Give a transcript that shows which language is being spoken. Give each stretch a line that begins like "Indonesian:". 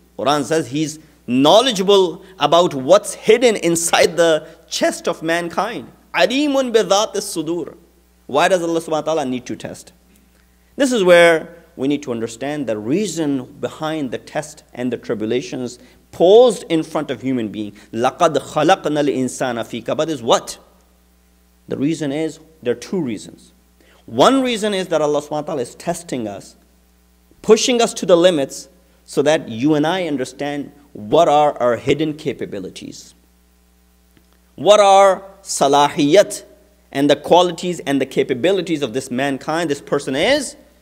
English: Quran says he's knowledgeable about what's hidden inside the chest of mankind.
Arabic: Alimun bidhat as-sudur.
English: Why does Allah subhanahu wa ta'ala need to test? This is where we need to understand the reason behind the test and the tribulations posed in front of human being.
Arabic: لَقَدْ خَلَقْنَا الْإِنسَانَ فِي كَبَدٍ
English: is what? The reason is, there are two reasons. One reason is that Allah subhanahu wa ta'ala is testing us, pushing us to the limits, so that you and I understand what are our hidden capabilities. What are salahiyat and the qualities and the capabilities of this mankind, this person is?